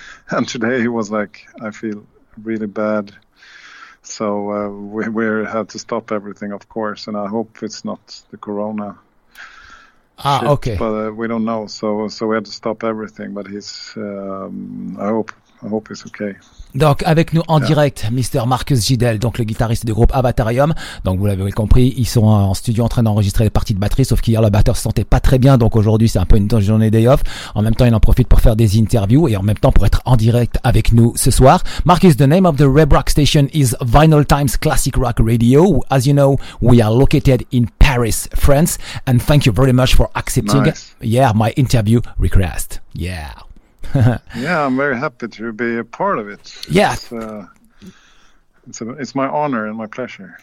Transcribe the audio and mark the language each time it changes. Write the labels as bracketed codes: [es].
[en] And today he was like, I feel really bad. So we had to stop everything, of course, and I hope it's not the corona. Okay. But we don't know, so we had to stop everything, but he's, I hope it's okay. [fr] Donc avec nous en direct, Mr. Marcus Gidel, donc le guitariste du groupe Avatarium. Donc vous l'avez compris, ils sont en studio en train d'enregistrer les parties de batterie, sauf qu'hier le batteur se sentait pas très bien, donc aujourd'hui c'est un peu une journée day off. En même temps, il en profite pour faire des interviews et en même temps pour être en direct avec nous ce soir. [en] Marcus, the name of the Web Rock Station is Vinyl Times Classic Rock Radio. As you know, we are located in Paris, France, and thank you very much for accepting my interview request. Yeah. Yeah, I'm very happy to be a part of it. Yeah, it's my honor and my pleasure.